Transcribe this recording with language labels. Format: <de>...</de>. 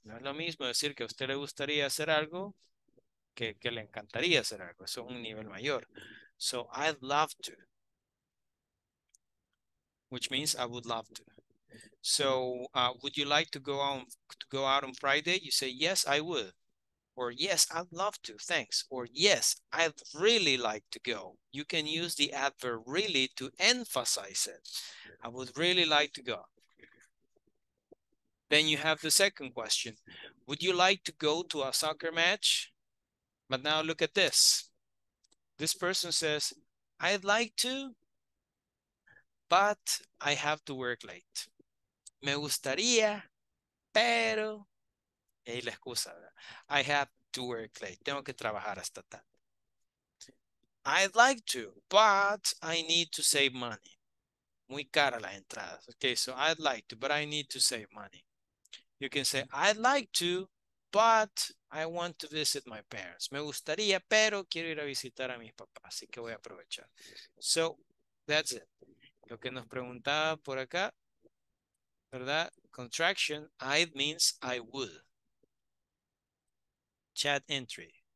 <es>No es lo mismo decir que a usted le gustaría hacer algo que le encantaría hacer algo. Eso es un nivel mayor.</es> <en>So I'd love to, which means I would love to. So would you like to go out on Friday? You say, yes, I would. Or yes, I'd love to, thanks. Or yes, I'd really like to go. You can use the adverb really to emphasize it. I would really like to go. Then you have the second question. Would you like to go to a soccer match? But now look at this. This person says, I'd like to, but I have to work late.</en> <es>Me gustaría, pero... Y la excusa, ¿verdad?</es> <en>I have to work late.</en> <es>Tengo que trabajar hasta tarde.</es> <en>I'd like to, but I need to save money.</en> <es>Muy cara la entrada.</es> <en>Okay, so I'd like to, but I need to save money. You can say, I'd like to, but I want to visit my parents.</en> <es>Me gustaría, pero quiero ir a visitar a mis papás. Así que voy a aprovechar.</es> <en>So, that's it.</en> <es>Lo que nos preguntaba por acá, ¿verdad?</es> <en>Contraction, I'd means I would. Chat entry.</en>